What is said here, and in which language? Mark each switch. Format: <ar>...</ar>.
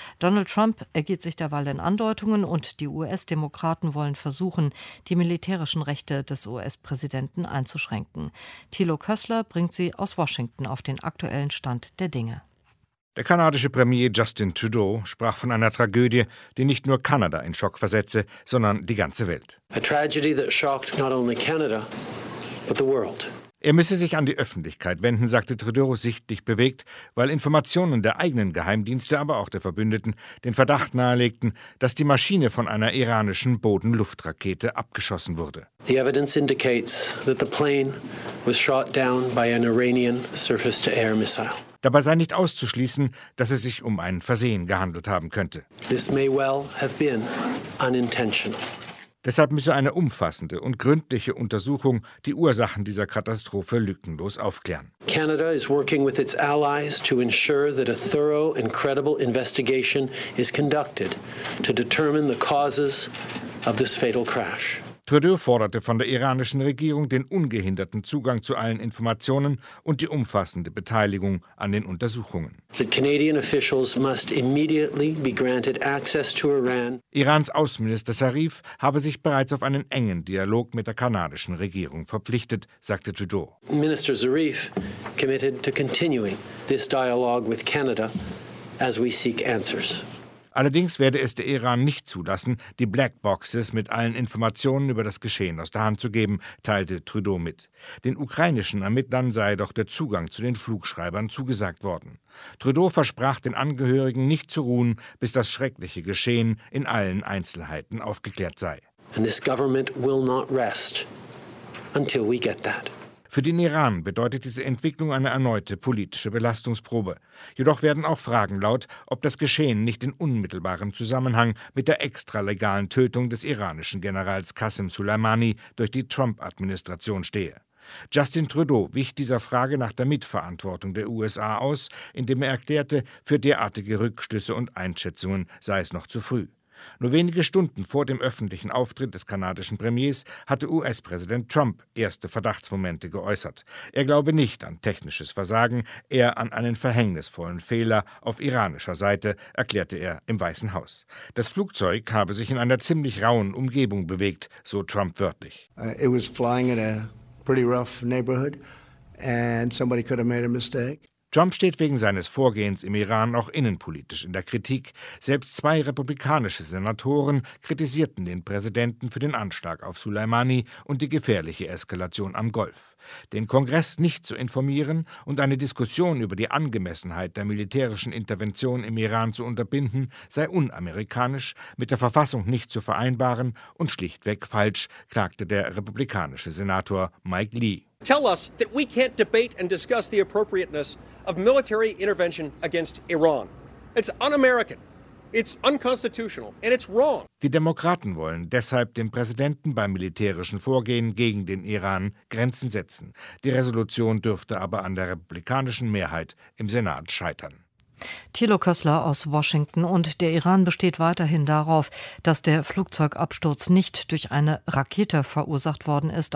<de>Donald Trump ergeht sich derweil in Andeutungen und die US-Demokraten wollen versuchen, die militärischen Rechte des US-Präsidenten einzuschränken. Thilo Kössler bringt sie aus Washington auf den aktuellen Stand der Dinge. Der kanadische Premier Justin Trudeau sprach von einer Tragödie, die nicht nur Kanada in Schock versetze, sondern die ganze Welt.</de> <en>A tragedy that shocked not only Canada, but the world.</en> <de>Er müsse sich an die Öffentlichkeit wenden, sagte Trudeau sichtlich bewegt, weil Informationen der eigenen Geheimdienste, aber auch der Verbündeten, den Verdacht nahelegten, dass die Maschine von einer iranischen Bodenluftrakete abgeschossen wurde.</de> <en>The evidence indicates that the plane was shot down by an Iranian surface-to-air missile.</en> <de>Dabei sei nicht auszuschließen, dass es sich um ein Versehen gehandelt haben könnte.</de> <en>This may well have been unintentional.</en> <de>Deshalb müsse eine umfassende und gründliche Untersuchung die Ursachen dieser Katastrophe lückenlos aufklären.</de> <en>Canada is working with its allies to ensure that a thorough and credible investigation is conducted to determine the causes of this fatal crash.</en> <de>Trudeau forderte von der iranischen Regierung den ungehinderten Zugang zu allen Informationen und die umfassende Beteiligung an den Untersuchungen.</de> <en>The Canadian officials must immediately be granted access to Iran.</en> <de>Irans Außenminister Zarif habe sich bereits auf einen engen Dialog mit der kanadischen Regierung verpflichtet, sagte Trudeau.</de> <en>Minister Zarif committed to continuing this dialogue with Canada as we seek answers.</en> <de>Allerdings werde es der Iran nicht zulassen, die Blackboxes mit allen Informationen über das Geschehen aus der Hand zu geben, teilte Trudeau mit. Den ukrainischen Ermittlern sei doch der Zugang zu den Flugschreibern zugesagt worden. Trudeau versprach den Angehörigen nicht zu ruhen, bis das schreckliche Geschehen in allen Einzelheiten aufgeklärt sei.</de> <en>And this government will not rest until we get that.</en> <de>Für den Iran bedeutet diese Entwicklung eine erneute politische Belastungsprobe. Jedoch werden auch Fragen laut, ob das Geschehen nicht in unmittelbarem Zusammenhang mit der extralegalen Tötung des iranischen Generals Qasem Soleimani durch die Trump-Administration stehe. Justin Trudeau wich dieser Frage nach der Mitverantwortung der USA aus, indem er erklärte, für derartige Rückschlüsse und Einschätzungen sei es noch zu früh. Nur wenige Stunden vor dem öffentlichen Auftritt des kanadischen Premiers hatte US-Präsident Trump erste Verdachtsmomente geäußert. Er glaube nicht an technisches Versagen, eher an einen verhängnisvollen Fehler auf iranischer Seite, erklärte er im Weißen Haus. Das Flugzeug habe sich in einer ziemlich rauen Umgebung bewegt, so Trump wörtlich.</de> <en>It was flying in a pretty rough neighborhood and somebody could have made a mistake.</en> <de>Trump steht wegen seines Vorgehens im Iran auch innenpolitisch in der Kritik. Selbst 2 republikanische Senatoren kritisierten den Präsidenten für den Anschlag auf Soleimani und die gefährliche Eskalation am Golf. Den Kongress nicht zu informieren und eine Diskussion über die Angemessenheit der militärischen Intervention im Iran zu unterbinden, sei unamerikanisch, mit der Verfassung nicht zu vereinbaren und schlichtweg falsch, klagte der republikanische Senator Mike Lee.</de> <en>Tell us that we can't debate and discuss the appropriateness of military intervention against Iran. It's un-American. It's unconstitutional and it's wrong.</en> <de>Die Demokraten wollen deshalb dem Präsidenten beim militärischen Vorgehen gegen den Iran Grenzen setzen. Die Resolution dürfte aber an der republikanischen Mehrheit im Senat scheitern. Thilo Kössler aus Washington. Und der Iran besteht weiterhin darauf, dass der Flugzeugabsturz nicht durch eine Rakete verursacht worden ist.</de>